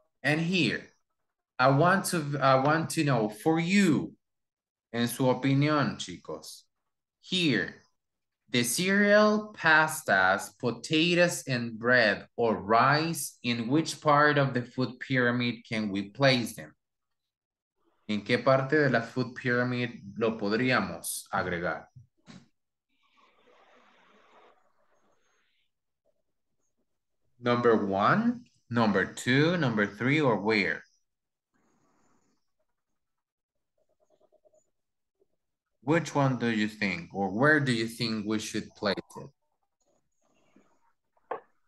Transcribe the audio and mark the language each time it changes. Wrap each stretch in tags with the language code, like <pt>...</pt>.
<en>And here, I want to know for you,</en> <es>en su opinión, chicos,</es> <en>here, the cereal, pastas, potatoes and bread, or rice, in which part of the food pyramid can we place them?</en> <es>¿En qué parte de la</es> <en>food pyramid</en> <es>lo podríamos agregar?</es> <en>Number one, number two, number three, or where? Which one do you think, or where do you think we should place it?</en>